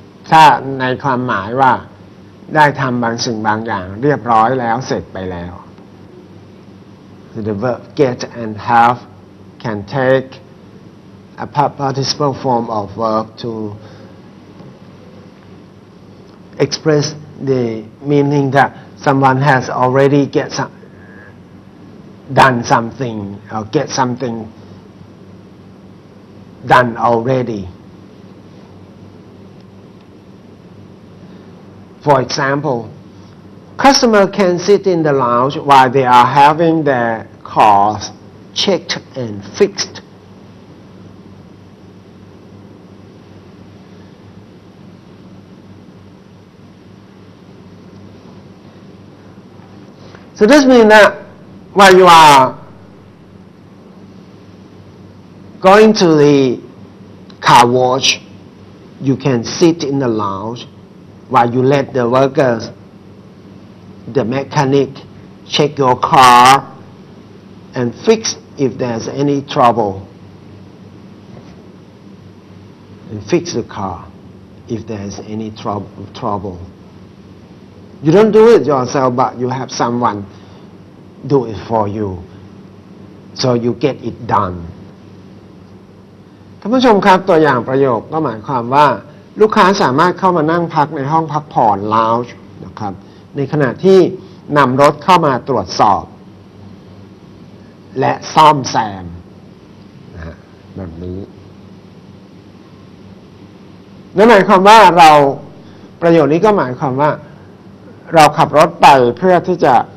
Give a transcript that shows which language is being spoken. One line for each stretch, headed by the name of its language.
Thai: ถ้าในความหมายว่าได้ทำบางสิ่งบางอย่างเรียบร้อยแล้วเสร็จไปแล้ว
English: the verb get and have can takeA participle form of verb to express the meaning that someone has already done something or get something done already. For example, customer can sit in the lounge while they are having their cars checked and fixed. So this means that while you are going to the car wash, you can sit in the lounge while you let the workers, the mechanic, check your car and fix if there's any trouble. And fix the car if there's any trouble. You don't do it yourself, but you have someone. Do it for you, so you get it done.
Thai: ท่านผู้ชมครับตัวอย่างประโยคก็หมายความว่าลูกค้าสามารถเข้ามานั่งพักในห้องพักผ่อน lounge นะครับในขณะที่นำรถเข้ามาตรวจสอบและซ่อมแซมนะฮะแบบนี้นั่นหมายความว่าเราประโยคนี้ก็หมายความว่าเราขับรถไปเพื่อที่จะ